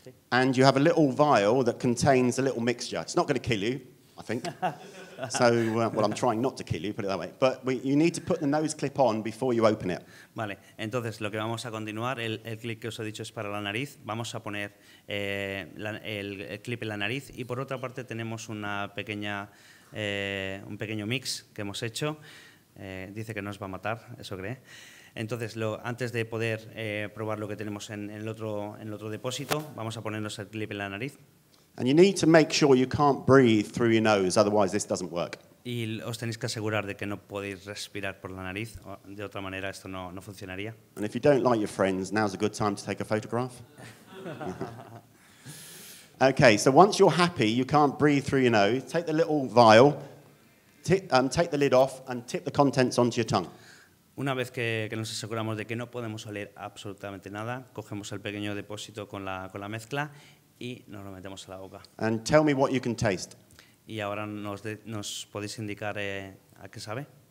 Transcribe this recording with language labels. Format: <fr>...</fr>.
<en>And you have a little vial that contains a little mixture. It's not going to kill you. I think. So, well, I'm trying not to kill you, put it that way. But you need to put the nose clip on before you open it.</en> <es>Vale, entonces lo que vamos a continuar, el clip que os he dicho es para la nariz. Vamos a poner el clip en la nariz. Y por otra parte tenemos una pequeña, un pequeño mix que hemos hecho. Dice que no os va a matar, eso cree. Entonces, antes de poder probar lo que tenemos en el otro depósito, vamos a ponernos el clip en la nariz.</es> <en>And you need to make sure you can't breathe through your nose, otherwise this doesn't work.</en> <es>Y os tenéis que asegurar de que no podéis respirar por la nariz, de otra manera esto no funcionaría.</es> <en>And if you don't like your friends, now's a good time to take a photograph. Okay, so once you're happy, you can't breathe through your nose, take the little vial, take the lid off and tip the contents onto your tongue.</en> <es>Una vez que nos aseguramos de que no podemos oler absolutamente nada, cogemos el pequeño depósito con la mezcla y nos lo metemos a la boca.</es> <en>And tell me what you can taste.</en> <es>Y ahora nos podéis indicar a qué sabe.</es>